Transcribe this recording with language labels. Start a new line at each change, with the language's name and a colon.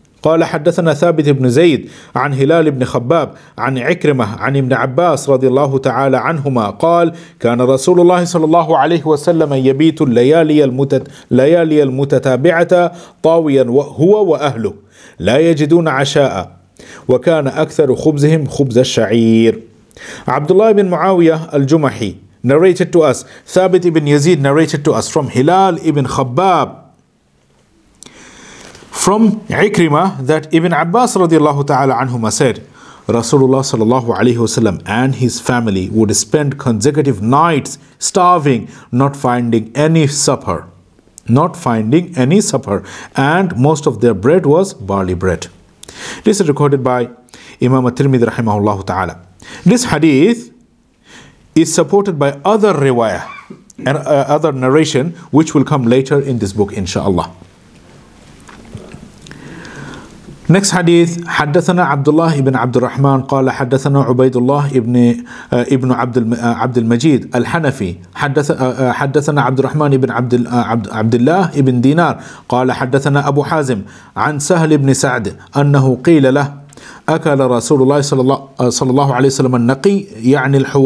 Arabic: قال حدثنا ثابت بن زيد عن هلال بن خباب عن عكرمة عن ابن عباس رضي الله تعالى عنهما قال كان رسول الله صلى الله عليه وسلم يبيت الليالي المتتابعة طاويا هو وأهله لا يجدون عشاء وكان أكثر خبزهم خبز الشعير.
English: عبد الله بن معاوية الجمحي narrated to us. ثابت بن يزيد narrated to us from هلال بن خباب from Ikrimah that Ibn Abbas radiallahu ta'ala anhuma said, Rasulullah sallallahu alayhi wa sallam and his family would spend consecutive nights starving, not finding any supper, and most of their bread was barley bread. This is recorded by Imam At-Tirmidhi rahimahullah ta'ala. This hadith is supported by other riwayah and other narration, which will come later in this book, inshallah. Next hadith,
Arabic: حدثنا عبد الله بن عبد الرحمن قال حدثنا عبيد الله ابن عبد المجيد الحنفي حدثنا عبد الرحمن بن عبد الله بن دينار قال حدثنا أبو حازم عن سهل بن سعد أنه قيل له أكل رسول الله صلى الله عليه وسلم النقي يعني